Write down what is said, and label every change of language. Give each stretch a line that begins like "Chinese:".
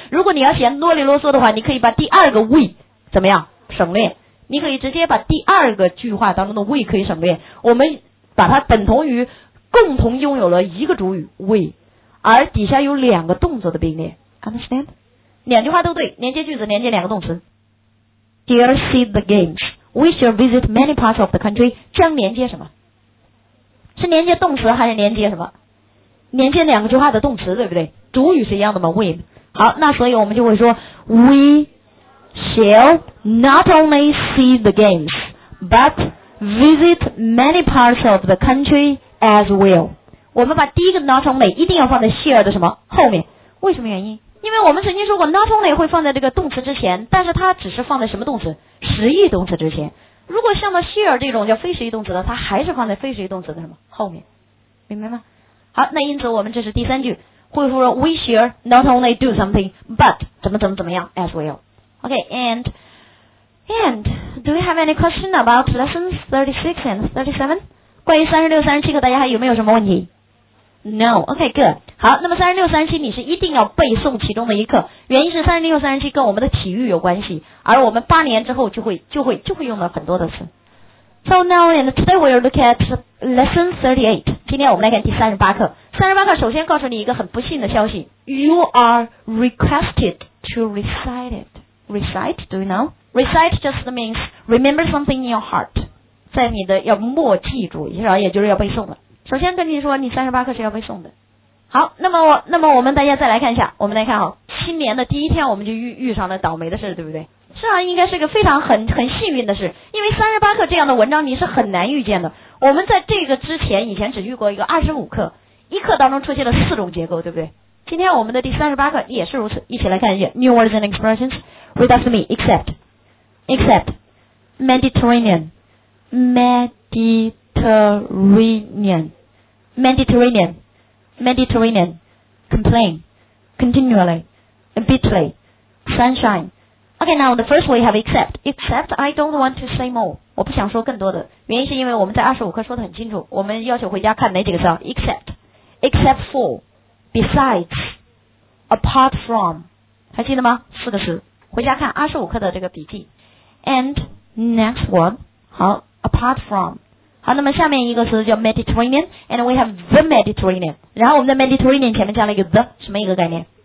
Chinese: 如果你要嫌啰里啰嗦的话，你可以把第二个 we 怎么样省略，你可以直接把第二个句话当中的 we 可以省略，我们把它等同于共同拥有了一个主语 we， 而底下有两个动作的并列。
English: Understand？
Chinese: 两句话都对，连接句子，连接两个动词。
English: Dear see the games， We shall visit many parts of the country，
Chinese: 将连接什么？是连接动词还是连接什么？连接两个句话的动词，对不对？主语是一样的吗？we。好，那所以我们就会说
English: weShall not only see the games, but visit many parts of the country as well.
Chinese: 我们把第一个 not only 一定要放在 share 的什么后面？为什么原因？因为我们曾经说过 not only 会放在这个动词之前，但是它只是放在什么动词？实义动词之前。如果像到 share 这种叫非实义动词的，它还是放在非实义动词的什么后面？明白吗？好，那因此我们这是第三句，会说
English: we shall not only do something,
Chinese: but 怎么怎么怎么样
English: as well. OK, and do you have any question about lessons 36 and 37?
Chinese: 关于36 37课大家还有没有什么问题？
English: No, OK, good.
Chinese: 好，那么36 37你是一定要背诵其中的一课，原因是36 37跟我们的体育有关系，而我们八年之后就会用到很多的词。
English: So now and today we'll look at lesson 38.
Chinese: 今天我们来看第38课。38课首先告诉你一个很不幸的消息，
English: You are requested to recite itRecite, do you know? Recite just means remember something in your heart.
Chinese: 在你的要默记住，也就是要背诵的。首先跟你说，你38课是要背诵的。好，那么我们大家再来看一下，我们来看哦，新年的第一天我们就遇上了倒霉的事，对不对？这样应该是个非常很幸运的事，因为38课这样的文章你是很难遇见的。我们在这个之前以前只遇过一个25课，一课当中出现了四种结构，对不对？今天我们的第38课也是如此，一起来看一下
English: New words and expressions. Read after me. Except Mediterranean Complain Continually Bitterly Sunshine. Okay, now the first we have Except I don't want to say more.
Chinese: 我不想说更多的，原因是因为我们在25课说得很清楚，我们要求回家看哪几个词。
English: Except for BesidesApart from，
Chinese: 还记得吗？四个词，回家看25课的这个笔记。
English: And next one，
Chinese: 好 ，apart from， 好，那么下面一个词叫 Mediterranean，
English: and we have the Mediterranean，
Chinese: 然后我们在 Mediterranean 前面加了一个 the， 什么一个概念？